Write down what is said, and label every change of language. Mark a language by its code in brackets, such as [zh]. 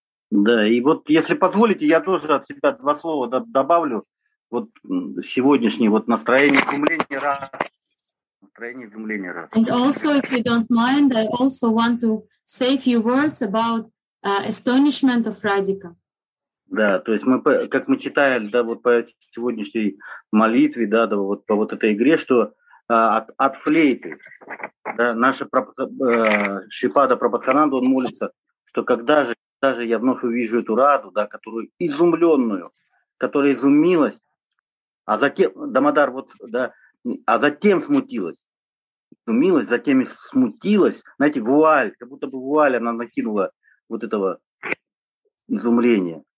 [ru] Да, и вот если позволите, я тоже от себя два слова добавлю. Вот сегодняшнее вот настроение изумления радости. Настроение изумления радости. [en] And also, if you don't mind, I also want to say a few words about astonishment of Radhika. [ru] Да, то есть мы, как мы читаем, да, вот по сегодняшней молитве, да, да, вот по вот этой игре, что от флейты, да, наша Шипада Прабхатхананда, он молится, что когда же я вновь увижу эту раду, да, которую изумленную, которая изумилась, а затем, Дамодар, вот, да, а затем смутилась, изумилась, затем и смутилась, знаете, вуаль, как будто бы вуаль она накинула вот этого изумления.